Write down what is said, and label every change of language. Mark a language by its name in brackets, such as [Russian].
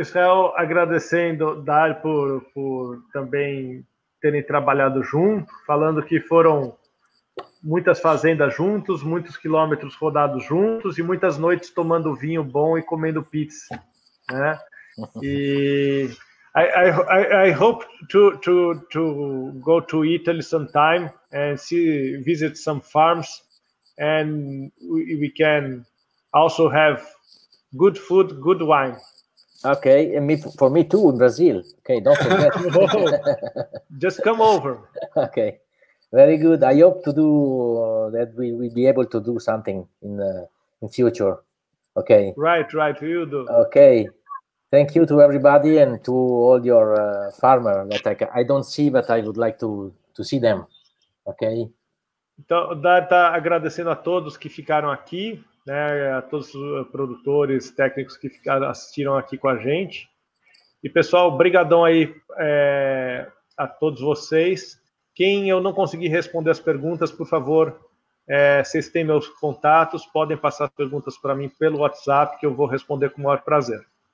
[Portuguese] Israel, agradecendo, Dario, por também terem trabalhado junto, falando que foram muitas fazendas juntos, muitos quilômetros rodados juntos e muitas noites tomando vinho bom e comendo pizza, né? [English] E I hope to go to Italy sometime and visit some farms and we can also have good food, good wine. Okay, and for me too in Brazil. Okay, don't forget. Just come over. Okay, very good. I hope to do that. We will be able to do something in future. Okay. Right. You do. Okay. Thank you to everybody and to all your farmer that I don't see, but I would like to see them. Okay. [Portuguese] Então, tá agradecendo a todos que ficaram aqui. Né, a todos os produtores, técnicos que assistiram aqui com a gente. E, pessoal, brigadão aí a todos vocês. Quem eu não consegui responder as perguntas, por favor, vocês têm meus contatos, podem passar as perguntas para mim pelo WhatsApp, que eu vou responder com o maior prazer.